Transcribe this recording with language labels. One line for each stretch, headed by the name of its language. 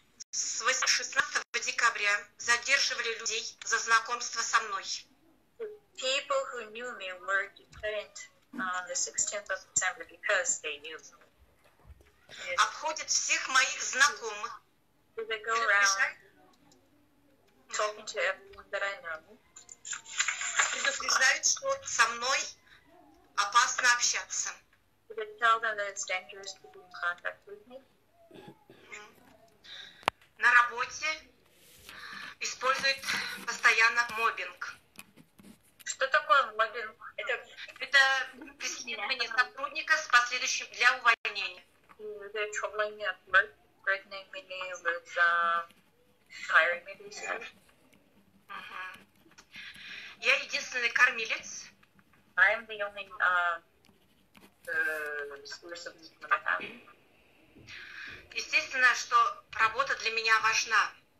Russian: С 16 декабря задерживали людей за знакомство со мной.
English: people who knew me were detained on the 16th of December because they knew me.
Russian: Обходит всех моих знакомых.
English: Did they go around talking to everyone that I know?
Russian: Предупреждают, что со мной опасно общаться.
English: Did they tell them that it's dangerous to be in contact with me?
Russian: На работе используют постоянно моббинг. Что такое моббинг? Это преследование сотрудника с последующим для увольнения.
English: They're troubling me at work, threatening me with hiring me.
Russian: Я единственный кормилец.
English: I am the only source of income.
Russian: Естественно, что работа для меня важна.